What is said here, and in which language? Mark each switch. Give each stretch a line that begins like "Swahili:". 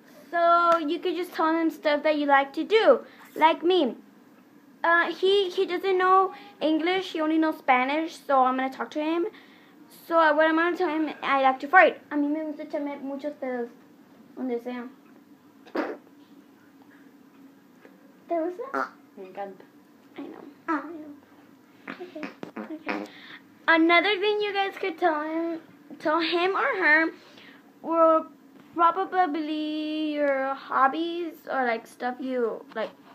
English: So you could just tell him stuff that you like to do, like me. He doesn't know English, he only knows Spanish, so I'm gonna talk to him. So what I'm going to tell him, I like to fart.
Spanish: A mí me gusta echarme muchos pedos, donde sea. ¿Te gusta? Me encanta.
English: I know. Okay. Another thing you guys could tell him or her were probably your hobbies or like stuff you like.